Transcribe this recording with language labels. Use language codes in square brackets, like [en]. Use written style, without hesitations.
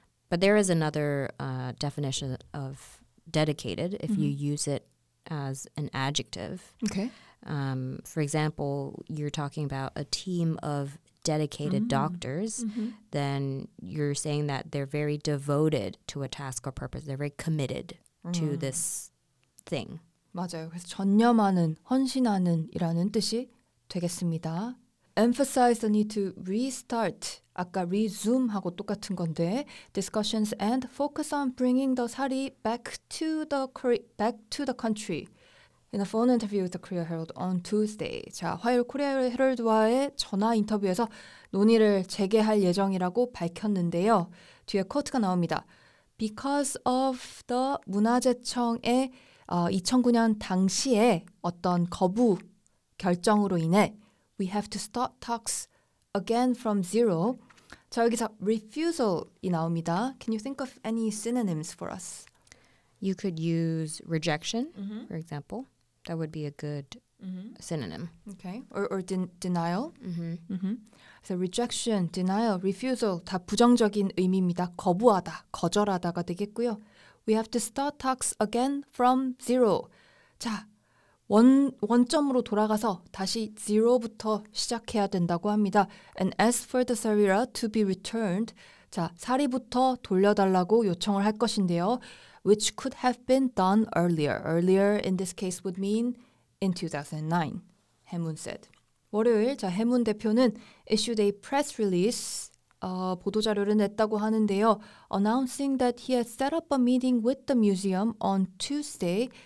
[en] But there is another definition of dedicated if mm-hmm. you use it as an adjective. Okay. For example, you're talking about a team of dedicated mm-hmm. doctors, mm-hmm. then you're saying that they're very devoted to a task or purpose. They're very committed to this thing. [ko] 맞아요. 그래서 전념하는, 헌신하는이라는 뜻이 되겠습니다. [en] Emphasize the need to restart. [ko] 아까 resume하고 똑같은 건데 [en] discussions and focus on bringing the 사리 back to the country. In a phone interview with the Korea Herald on Tuesday. [ko] 자, 화요일 코리아 헤럴드와의 전화 인터뷰에서 논의를 재개할 예정이라고 밝혔는데요. 뒤에 코트가 나옵니다. [en] Because of the [ko] 문화재청의 2009년 당시에 어떤 거부 결정으로 인해 [en] we have to start talks again from zero. [ko] 자, 여기서 refusal이 나옵니다. [en] Can you think of any synonyms for us? You could use rejection, mm-hmm. for example. That would be a good mm-hmm. synonym. Okay. Or denial. Mm-hmm. Mm-hmm. So rejection, denial, refusal [ko] 다 부정적인 의미입니다. 거부하다, 거절하다가 되겠고요. [en] We have to start talks again from zero. [ko] 자, 원점으로 돌아가서 다시 zero부터 시작해야 된다고 합니다. [en] And ask for the sarira to be returned. [ko] 자, 사리부터 돌려달라고 요청을 할 것인데요. [en] Which could have been done earlier. Earlier in this case would mean in 2009, 해문 said. [ko] 월요일, 자, 해문 대표는 [en] issued a press release, [ko] 보도자료를 냈다고 하는데요. [en] Announcing that he had set up a meeting with the museum on Tuesday.